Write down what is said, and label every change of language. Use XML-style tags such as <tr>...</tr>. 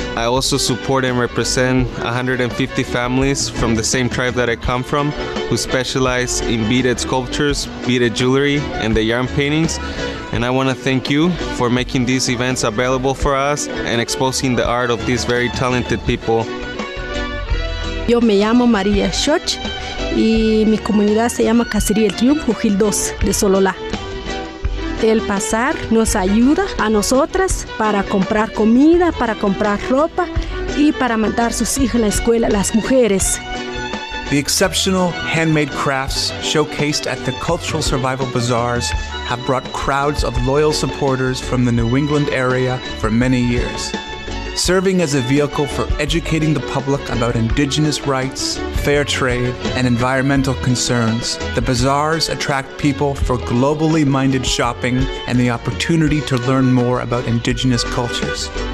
<en>I also support and represent 150 families from the same tribe that I come from who specialize in beaded sculptures, beaded jewelry, and the yarn paintings. And I want to thank you for making these events available for us and exposing the art of these very talented people.</en> <es>Yo me llamo María Schoch y mi comunidad se llama Cacería El Triunfo Gil 2 de Sololá. El pasar nos ayuda a nosotras para comprar comida, para comprar ropa y para mandar sus hijas a la escuela, las mujeres.</es> <en>The exceptional handmade crafts showcased at the Cultural Survival Bazaars have brought crowds of loyal supporters from the New England area for many years. Serving as a vehicle for educating the public about indigenous rights, fair trade, and environmental concerns, the bazaars attract people for globally minded shopping and the opportunity to learn more about indigenous cultures.</en>